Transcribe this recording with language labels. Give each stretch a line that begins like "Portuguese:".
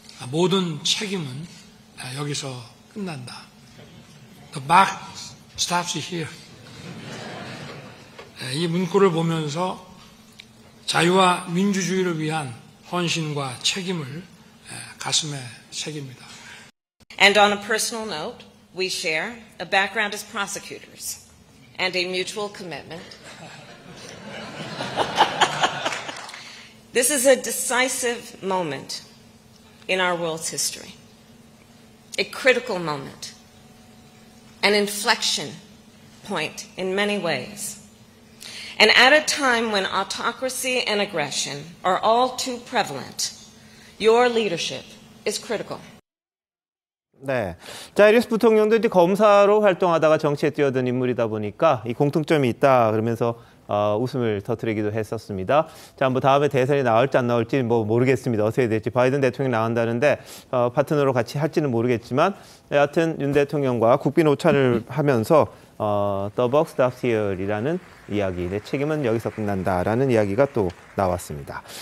Korean: 모든 책임은 여기서 끝난다.
English: The buck stops here.
Korean: 이 문구를 보면서 자유와 민주주의를 위한 헌신과 책임을 가슴에 새깁니다.
English: And on a personal note, we share a background as prosecutors and a mutual commitment. This is a decisive moment in our world's history. A critical moment. An inflection point in many ways. And at a time when autocracy and aggression are all too prevalent, Your leadership is critical.
Korean: 네. 자, 해리스 부통령도 이제 검사로 활동하다가 정치에 뛰어든 인물이다 보니까 이 공통점이 있다 그러면서 웃음을 터뜨리기도 했었습니다. 자, 뭐 다음에 대선이 나올지 안 나올지 뭐 모르겠습니다. 어떻게 될지. 바이든 대통령이 나온다는데 파트너로 같이 할지는 모르겠지만 여하튼 윤 대통령과 국빈 오찬을 하면서
English: The Box Stops Here
Korean: 이라는 이야기, 내 책임은 여기서 끝난다라는 이야기가 또 나왔습니다.